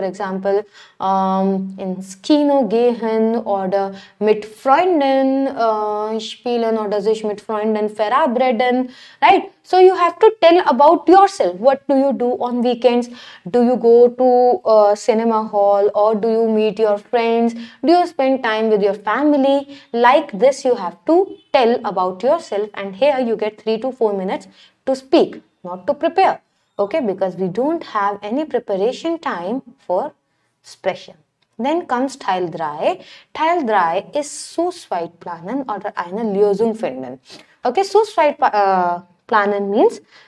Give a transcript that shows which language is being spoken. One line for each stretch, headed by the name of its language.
English: For example,
German: in Kino gehen oder mit Freunden spielen oder sich mit Freunden verabreden.
English: Right? So you have to tell about yourself. What do you do on weekends? Do you go to a cinema hall, or do you meet your friends? Do you spend time with your family? Like this, you have to tell about yourself. And here you get 3 to 4 minutes to speak. Not to prepare, okay, because we don't have any preparation time for expression. Then comes Teil 3. Teil 3 is
German: Suchweitplanen oder eine Lösung finden.
English: Okay, Suchweitplanen means